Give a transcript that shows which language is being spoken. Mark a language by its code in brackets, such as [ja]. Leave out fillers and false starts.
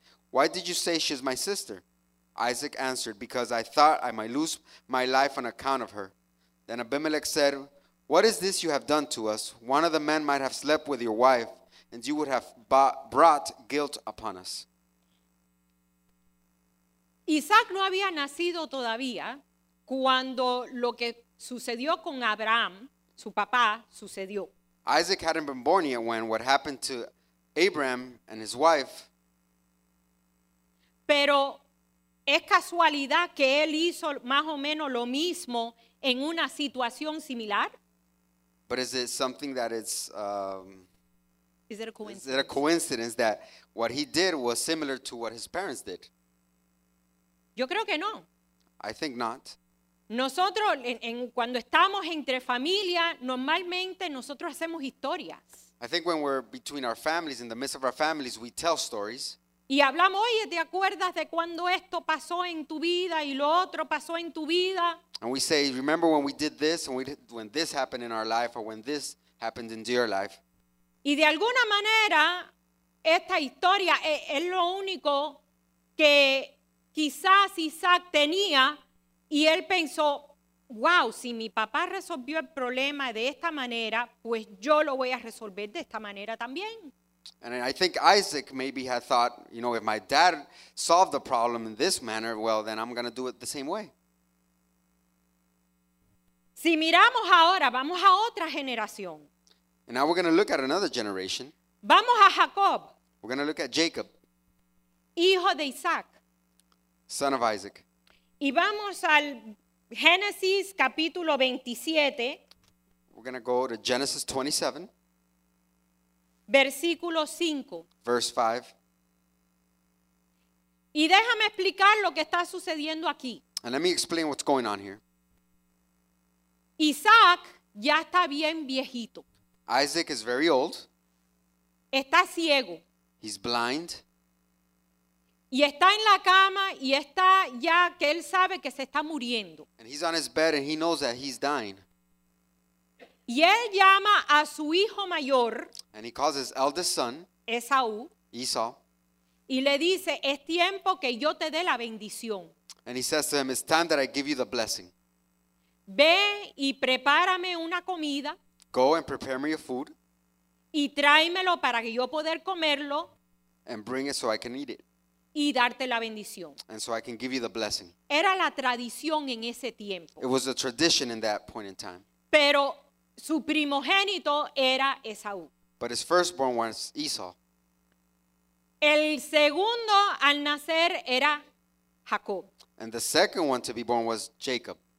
[en] Why did you say she is my sister? Isaac answered, because I thought I might lose my life on account of her. Then Abimelech said, what is this you have done to us? One of the men might have slept with your wife, and you would have brought guilt upon us. [es] Isaac no había nacido todavía cuando lo que sucedió con Abraham, su papá, sucedió. [en] Isaac hadn't been born yet when what happened to Abraham and his wife. [es] Pero es casualidad que él hizo más o menos lo mismo en una situación similar. [en] But is it something that it's, is it a coincidence? Is it a coincidence that what he did was similar to what his parents did? [es] Yo creo que no. [en] I think not. [es] Nosotros, cuando estamos entre familia, normalmente nosotros hacemos historias. [en] I think when we're between our families, in the midst of our families, we tell stories. [es] Y hablamos, oye, ¿te acuerdas de cuando esto pasó en tu vida y lo otro pasó en tu vida? [en] And we say, remember when we did this, and when this happened in our life, or when this happened in your life. [es] Y de alguna manera, esta historia es lo único que quizás Isaac tenía. Y él pensó, wow, si mi papá resolvió el problema de esta manera, pues yo lo voy a resolver de esta manera también. [en] And I think Isaac maybe had thought, you know, if my dad solved the problem in this manner, well, then I'm going to do it the same way. [es] Si miramos ahora, vamos a otra generación. [en] And now we're going to look at another generation. [es] Vamos a Jacob. [en] We're going to look at Jacob. [es] Hijo de Isaac. [en] Son of Isaac. [es] Y vamos al Génesis capítulo 27. [en] We're going to go to Genesis 27. [es] Versículo 5. [en] Verse 5. [es] Y déjame explicar lo que está sucediendo aquí. [en] And let me explain what's going on here. [es] Isaac ya está bien viejito. [en] Isaac is very old. [es] Está ciego. [en] He's blind. [es] Y está en la cama y está ya que él sabe que se está muriendo. [en] And he's on his bed and he knows that he's dying. [es] Y él llama a su hijo mayor. [en] And he calls his eldest son. [es] Esaú. [en] Esau. [es] Y le dice, es tiempo que yo te dé la bendición. [en] And he says to him, it's time that I give you the blessing. [es] Ve y prepárame una comida. [en] Go and prepare me a food. [es] Y tráemelo para que yo poder comerlo. [en] And bring it so I can eat it. [es] Y darte la bendición. [en] And so I can give you the blessing. [es] Era la tradición en ese tiempo. [en] It was a tradition in that point in time. [es] Pero su primogénito era Esaú. [en] But his firstborn was Esau. [es] El segundo al nacer era Jacob. [en] And the second one to be born was Jacob.